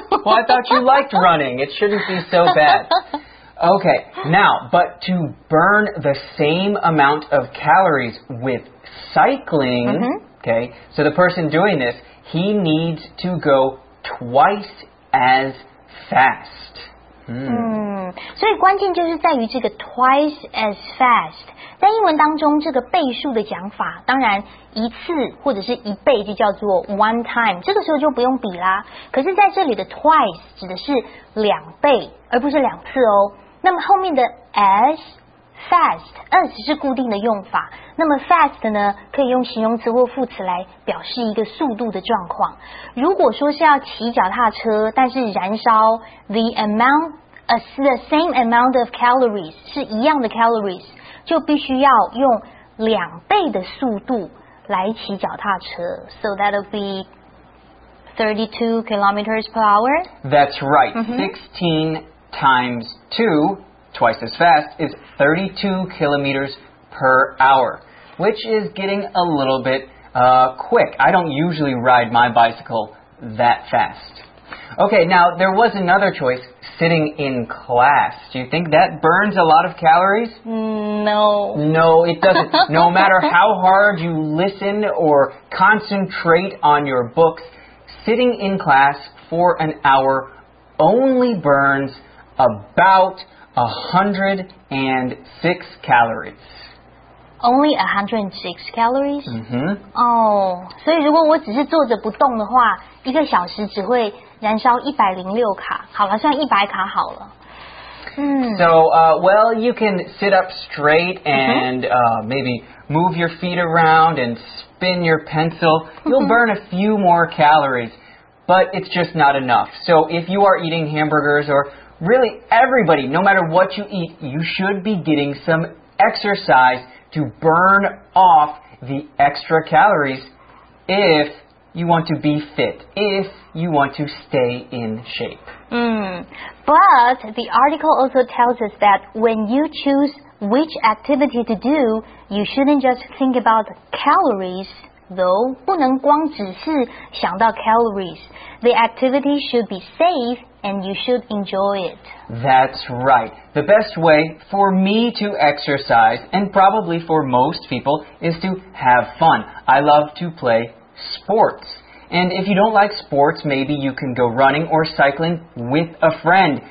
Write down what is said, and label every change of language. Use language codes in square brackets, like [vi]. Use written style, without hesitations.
[en] Well, I thought you liked running. It shouldn't be so bad. Okay, now, but to burn the same amount of calories with cycling, mm-hmm. okay, so the person doing this, he needs to go twice as fast. So [zh] 关键就是在于这个 [en] twice as fast。 [zh] 在英文当中，这个倍数的讲法，当然一次或者是一倍就叫做 [en] one time， [zh] 这个时候就不用比啦。可是在这里的 twice 指的是两倍，而不是两次哦。那么后面的 [en] as fast， [zh] as 是固定的用法，那么 fast 呢可以用形容词或副词来表示一个速度的状况。如果说是要骑脚踏车，但是燃烧 [en] the same amount of calories， [zh] 是一样的 calories， 就必须要用两倍的速度来骑脚踏车。 [en] So that'll be 32 kilometers per hour. That's right. 16 times 2, twice as fast, is 32 kilometers per hour, which is getting a little bit quick. I don't usually ride my bicycle that fast. Okay, now there was another choice, sitting in class. Do you think that burns a lot of calories? No. No, it doesn't. No matter how hard you listen or concentrate on your books, sitting in class for an hour only burns about 106 calories. Only 106 calories? Mm-hmm. [zh] Oh, 所以如果我只是坐着不动的话，一个小时只会燃烧106卡。好了，算100卡好了。 [en] So, well, you can sit up straight and maybe move your feet around and spin your pencil. You'll burn a few more calories, but it's just not enough. So if you are eating hamburgers or really, everybody, no matter what you eat, you should be getting some exercise to burn off the extra calories if you want to be fit, if you want to stay in shape. But the article also tells us that when you choose which activity to do, you shouldn't just think about calories, though. [zh] 不能光只是想到 calories. [en] The activity should be safe. And you should enjoy it. That's right. The best way for me to exercise, and probably for most people, is to have fun. I love to play sports. And if you don't like sports, maybe you can go running or cycling with a friend.